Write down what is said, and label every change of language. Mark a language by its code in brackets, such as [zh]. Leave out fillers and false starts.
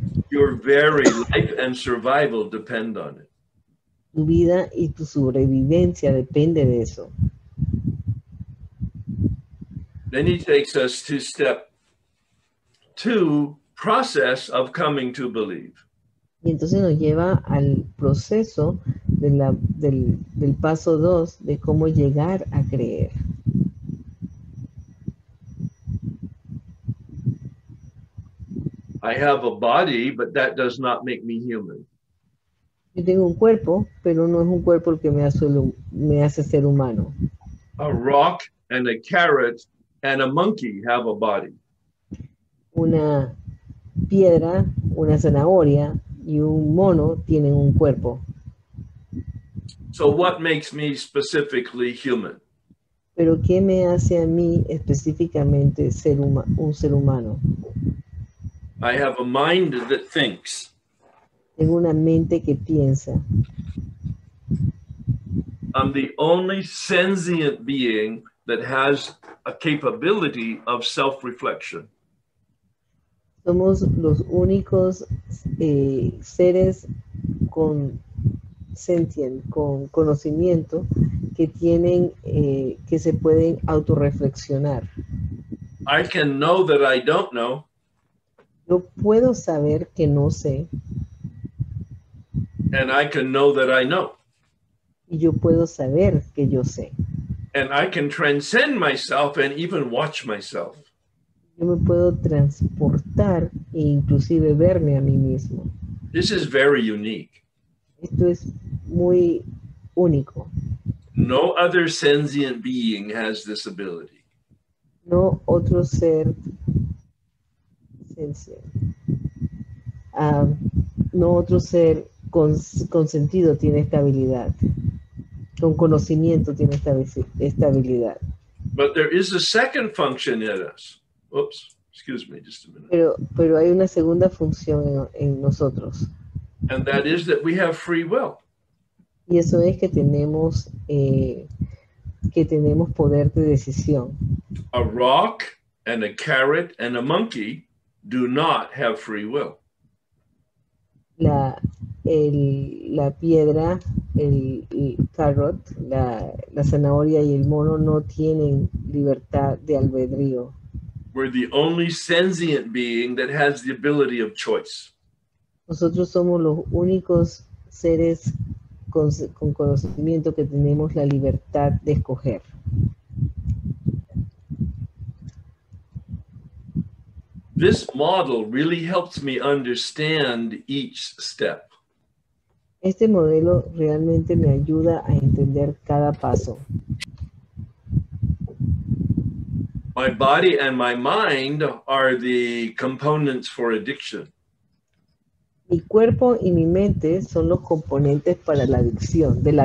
[en] Your very life and survival depend on it. [es] Tu vida y tu sobrevivencia depende de eso. [en] Then he takes us to step two, process of coming to believe. [es] Y entonces nos lleva al proceso de la, del paso dos de cómo llegar a creer. [en] I have a body, but that does not make me human. [es] Yo tengo un cuerpo, pero no es un cuerpo el que me hace ser humano. [en] A rock and a carrot and a monkey have a body. [es] Una piedra, una zanahoria y un mono tienen un cuerpo. [en] So what makes me specifically human? [es] ¿Pero qué me hace a mí específicamente un ser humano? [en] I have a mind that thinks. [es] Tengo una mente que piensa. [en] I'm the only sentient being that has a capability of self-reflection. [es] Somos los únicos seres con sentient, con conocimiento, que tienen, que se pueden autorreflexionar. [en] I can know that I don't know. [es] Yo puedo saber que no sé. [en] And I can know that I know. [es] Y yo puedo saber que yo sé. [en] And I can transcend myself and even watch myself. [es] Yo me puedo transportar e inclusive verme a mí mismo. [en] This is very unique. [es] Esto es muy único. [en] No other sentient being has this ability. [es] No otro ser sentient. No otro ser con sentido tiene esta habilidad. Con conocimiento tiene esta habilidad. [en] But there is a second function in us. Oops, excuse me just a minute. [es] Pero hay una segunda función en nosotros. [en] And that is that we have free will. [es] Y eso es que tenemos poder de decisión. [en] A rock and a carrot and a monkey do not have free will. [es] La piedra, el carrot, la zanahoria y el mono no tienen libertad de albedrío. [en] We're the only sentient being that has the ability of choice. [es] Nosotros somos los únicos seres con conocimiento que tenemos la libertad de escoger. [en] This model really helps me understand each step. [es] Este modelo realmente me ayuda a entender cada paso. [en] My body and my mind are the components for addiction. [es] Mi cuerpo y mi mente son los componentes para la adicción.